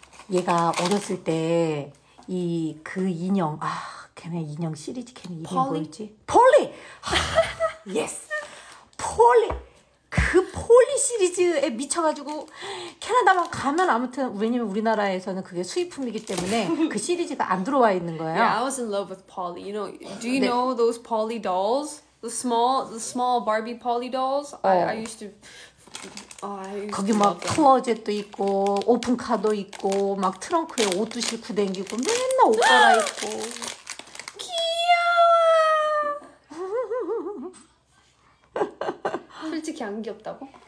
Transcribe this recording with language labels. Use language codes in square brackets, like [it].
[ko] 얘가 어렸을 때 이 그 인형 아 걔네 인형 시리즈 걔네 이름 뭐였지? 폴리! 예스! 폴리! 그 폴리 시리즈에 미쳐가지고 캐나다만 가면 아무튼 왜냐면 우리나라에서는 그게 수입품이기 때문에 그 시리즈가 안 들어와 있는 거예요. [en] Yeah, I was in love with Polly. You know, do you know those Polly dolls? The small Barbie Polly dolls? I used to [ko] 거기 막 클로젯도 있고 오픈카도 있고 막 트렁크에 옷도 싣고 댕기고 맨날 옷 갈아입고 귀여워. 솔직히 안 귀엽다고?